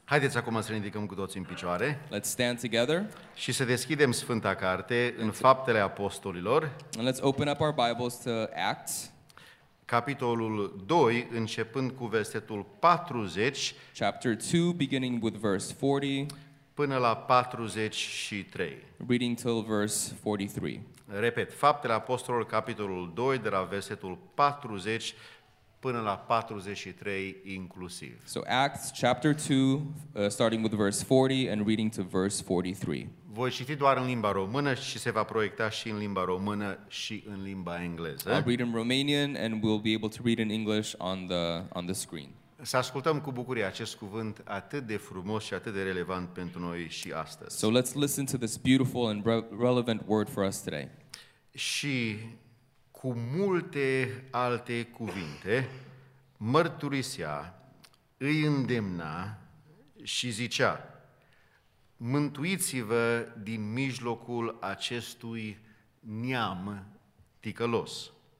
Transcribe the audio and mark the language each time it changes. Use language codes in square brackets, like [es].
[ro] Haideți acum să ne ridicăm cu toți în picioare. [en] Let's stand together. [ro] Și să deschidem Sfânta Carte în Faptele Apostolilor. [en] And let's open up our Bibles to Acts. [ro] Capitolul 2, începând cu versetul 40. [en] Chapter 2, beginning with verse 40. [ro] Până la 43. [en] Reading till verse 43. [ro] Repet, Faptele Apostolilor, capitolul 2, de la versetul 40 până la 43 inclusiv. [en] So Acts chapter 2, starting with verse 40 and reading to verse 43. [ro] Voi citi doar în limba română și se va proiecta și în limba română și în limba engleză. [en] I'll read in Romanian and we'll be able to read in English on the screen. [ro] Să ascultăm cu bucurie acest cuvânt atât de frumos și atât de relevant pentru noi și astăzi. [en] So let's listen to this beautiful and relevant word for us today. [ro] Și cu multe alte cuvinte, mărturisea, îi îndemna și zicea, mântuiți-vă din mijlocul acestui neam ticălos.